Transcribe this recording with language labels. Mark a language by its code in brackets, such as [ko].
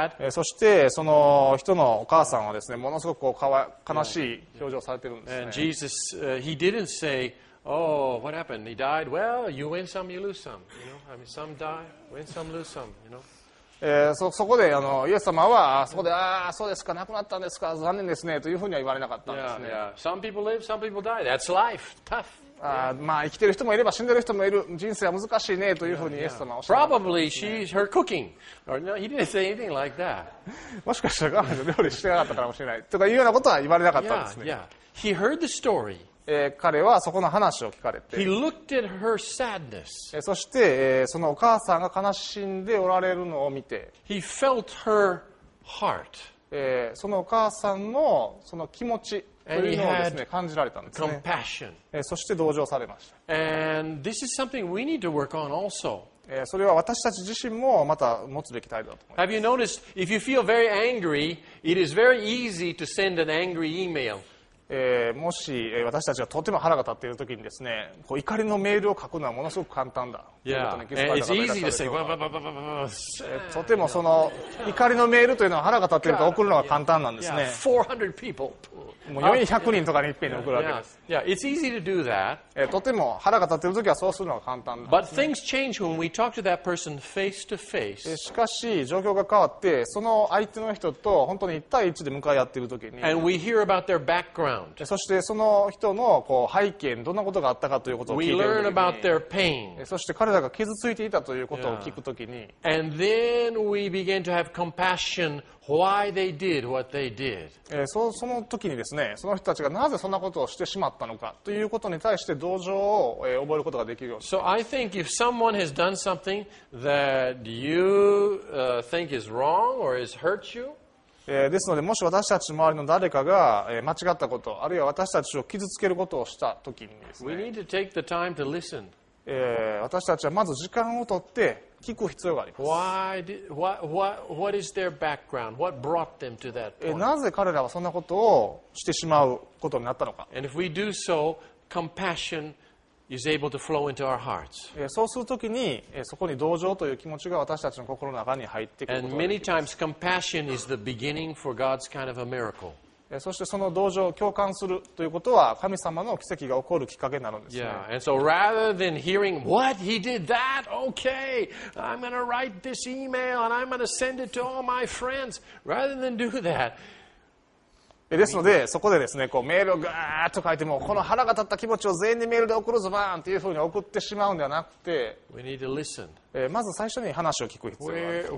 [ja] そしてその人のお母さんはですね、ものすごくこう悲しい表情をされているんですね。 [en] And Jesus, he didn't say,Oh, what happened? He died. Well, you win some, you lose some. You know, I mean, some die, win some, lose some. You know. [ja] そこでイエス様はそこでああそうですか亡くなったんですか残念ですねというふうには言われなかったんですね。 [en] Yeah, yeah. Some people live, some people die. That's life. Tough. [ja] あまあ生きてる人もいれば死んでる人もいる人生は難しいねというふうにイエス様はおっしゃってます、ね、yeah, yeah. [en] Probably she's her cooking or no, he didn't say anything like that [ja] もしかしたら彼女料理してなかったかもしれないとかいうようなことは言われなかったんですね [en] yeah, yeah. He heard the story、 [ja] 彼はそこの話を聞かれて [en] He looked at her sadness、 [ja] そして、そのお母さんが悲しんでおられるのを見て [en] He felt her heart、 [ja] そのお母さんのその気持ちというのをですね、感じられたんですね。 [en] Compassion. [ja] そして同情されました。 [en] And this is something we need to work on also. [ja] それは私たち自身もまた持つべき態度だと思います。 [en] Have you noticed, if you feel very angry, it is very easy to send an angry email. [ja] もし私たちがとても腹が立っているときにですね、こう怒りのメールを書くのはものすごく簡単だ。 [en] Yeah. It's easy to say, blah, blah, blah, blah, blah. [ja] とてもその怒りのメールというのは腹が立っていると送るのは簡単なんですね。 [en] 400 people. [ja] もう400人とかにいっぺんに送るわけです。 [en] Yeah, it's easy to do that. [ja] とても腹が立っているときはそうするのが簡単です、ね。 [en] But things change when we talk to that person face to face. [ja] しかし、状況が変わって、その相手の人と本当に1対1で向かい合っているときに、 [en] And we hear about their background. [ja] そしてその人のこう背景にどんなことがあったかということを聞いているときに、 [en] We learn about their pain. [ja] そして彼らが傷ついていたということを聞くときに、 [en] Yeah. And then we begin to have compassion why they did what they did. [ja] その時にですね、その人たちがなぜそんなことをしてしまったのかということに対して同情を、覚えることができるようになります。 [en] So I think if someone has done something that you, think is wrong or has hurt you, [ja] ですので、もし私たち周りの誰かが、間違ったこと、あるいは私たちを傷つけることをした時にですね、 [en] We need to take the time to listen. [ja] 私たちはまず時間をとって、聞く必要があります。 [en] What is their background? What brought them to that point? [ja] なぜ彼らはそんなことをしてしまうことになったのか。 [en] And if we do so, compassion is able to flow into our hearts. [ja] そうするときに、そこに同情という気持ちが私たちの心の中に入っていく。 [en] And many times, compassion is the beginning for God's kind of a miracle. [ja] そしてその同情を共感するということは神様の奇跡が起こるきっかけになるんですね。 [en] Yeah. And so rather than hearing what he did that, okay, I'm going to write this email and I'm going to send it to all my friends. Rather than do that. [ja] ですのでそこでですね、こうメールをガーッと書いてもこの腹が立った気持ちを全員にメールで送るぞバーンっていうふうに送ってしまうんではなくて、 [en] We need to listen. [ja] まず最初に話を聞く必要があります。